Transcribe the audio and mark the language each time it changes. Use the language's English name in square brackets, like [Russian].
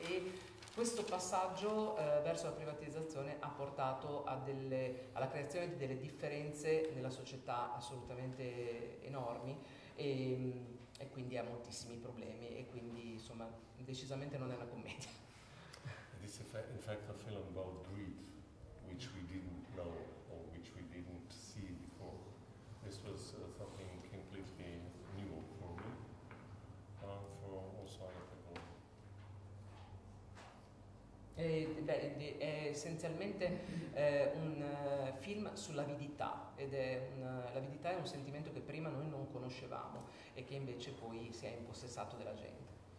[Italian] E questo passaggio verso la privatizzazione ha portato alla creazione di delle differenze nella società assolutamente enormi e quindi ha moltissimi problemi, e quindi insomma decisamente non è una commedia. [English] It's in fact a film about greed, which we didn't know or which we didn't see before. This was something completely new for me and for also other people. [Italian] È essenzialmente un film sull'avidità, ed è l'avidità è un sentimento che prima noi non conoscevamo e che invece poi si è impossessato della gente.